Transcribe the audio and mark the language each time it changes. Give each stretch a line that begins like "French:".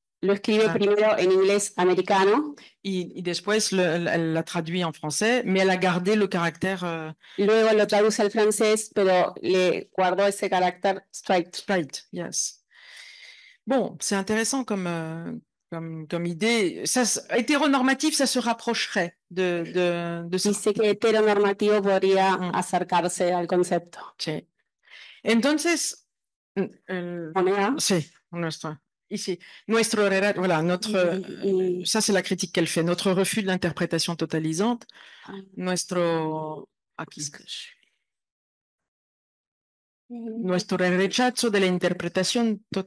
Spanish: Lo escribe primero en inglés americano.
French: Et después, elle l'a traduit en français, mais elle a gardé le caractère
Spanish: Luego lo traduce al francés, pero le guardó ese carácter straight.
English: straight, yes.
French: Bon, c'est intéressant comme idée. Ça, hétéronormatif, ça se rapprocherait de ça.
Spanish: Dice que heteronormativo podría acercarse al concepto. Sí. Entonces, ¿Moneda? sí, nuestra,
French: ici, nuestro, voilà, notre, ça c'est la critique qu'elle fait, notre refus de l'interprétation totalisante, nuestro,
Spanish: aquí es que
French: je suis,
Spanish: nuestro rechazo de la interpretación